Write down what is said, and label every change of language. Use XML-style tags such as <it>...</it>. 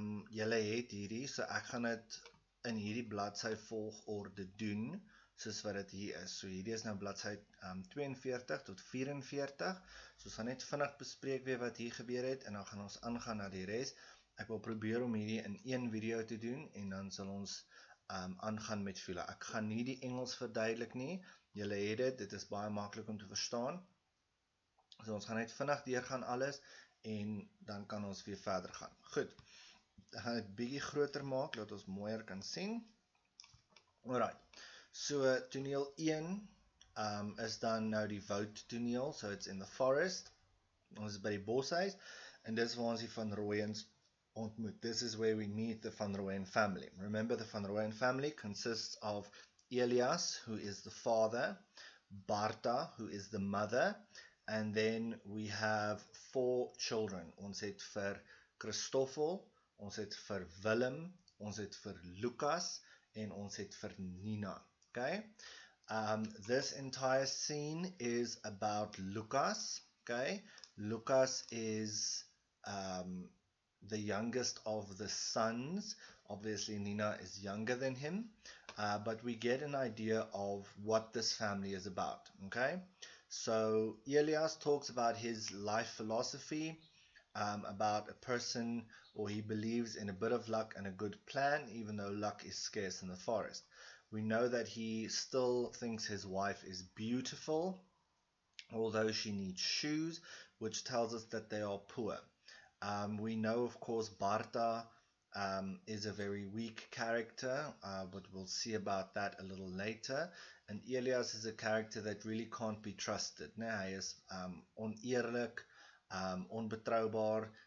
<af>Julle het hierdie, so ek gaan dit in hierdie bladsy volgorde doen, soos wat dit hier is. So hierdie is nou bladsy 42 tot 44. So ons gaan net vinnig bespreek weer wat hier gebeur het en dan gaan ons aangaan na die res. Ek wil probeer om hierdie in een video te doen en dan sal ons aangaan met Fiela. Ek gaan nie die Engels verduidelik nie. Julle het dit, dit is baie maklik om te verstaan. So ons gaan net vinnig deurgaan alles en dan kan ons weer verder gaan. Goed. Ek gaan dit bietjie groter maak, laat ons mooier kan sien. Alright. So, toneel 1 is dan nou die woud toneel,</af> <en>so it's in the forest.</en> <af>Ons is by die boshuis, en dis waar ons die Van Rooyens ontmoet.</af> <en>This is where we meet the Van Rooyen family. Remember, the Van Rooyen family consists of Elias, who is the father, Barta, who is the mother, and then we have 4 children.</en> <af>Ons het vir Christoffel, ons het vir Willem, ons het vir Lucas, en ons het vir Nina.</af> <en>Okay, this entire scene is about Lucas. Okay, Lucas is the youngest of the sons. Obviously, Nina is younger than him, but we get an idea of what this family is about. Okay, so Elias talks about his life philosophy, about a person, or he believes in a bit of luck and a good plan, even though luck is scarce in the forest. We know that he still thinks his wife is beautiful, although she needs shoes, which tells us that they are poor. We know, of course, Barta is a very weak character, but we'll see about that a little later. And Elias is a character that really can't be trusted. Now, he is</en> <af>oneerlijk, onbetrouwbaar.</af>